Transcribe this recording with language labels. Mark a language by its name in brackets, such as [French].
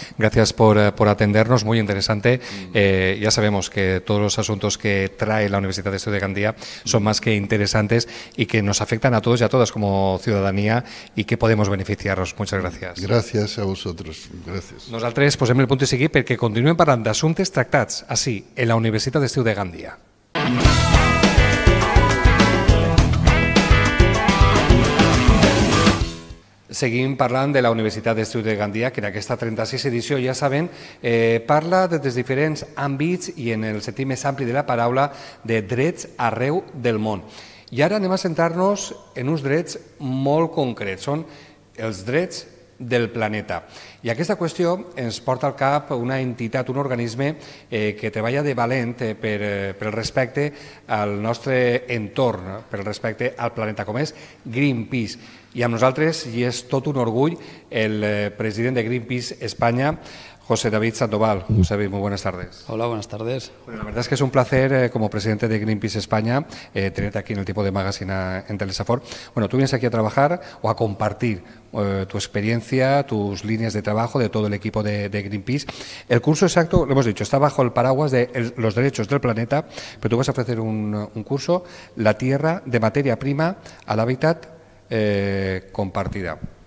[Spanish] Gracias por atendernos, muy interesante. Ya sabemos que todos los asuntos que trae la Universidad de Estudio de Gandía son más que interesantes y que nos afectan a todos y a todas como ciudadanía y que podemos beneficiarnos. Muchas gracias. Gracias a vosotros. Gracias. [Catalan] Nosaltres posem el punt i seguim perquè continuem parlant d'assumptes tractats, així, en la Universitat d'Estiu de Gandia. Seguim parlant de la Universitat d'Estiu de Gandia, que en aquesta 36a edició, ja saben, parla de diferents àmbits i en el sentit més ampli de la paraula de drets arreu del món. I ara anem a centrar-nos en uns drets molt concrets, són els drets del planeta. I aquesta qüestió ens porta al cap una entitat, un organisme que treballa de valent pel respecte al nostre entorn, pel respecte al planeta, com és Greenpeace. I amb nosaltres hi és tot un orgull el president de Greenpeace Espanya, José David Sandoval. [Spanish] José David, muy buenas tardes. Hola, buenas tardes. Bueno, la verdad es que es un placer, como presidente de Greenpeace España, tenerte aquí en el tipo de magazine en Telesafor. Bueno, tú vienes aquí a trabajar o a compartir tu experiencia, tus líneas de trabajo, de todo el equipo de Greenpeace. El curso exacto, lo hemos dicho, está bajo el paraguas de los derechos del planeta, pero tú vas a ofrecer un curso, La Tierra de materia prima al hábitat compartida.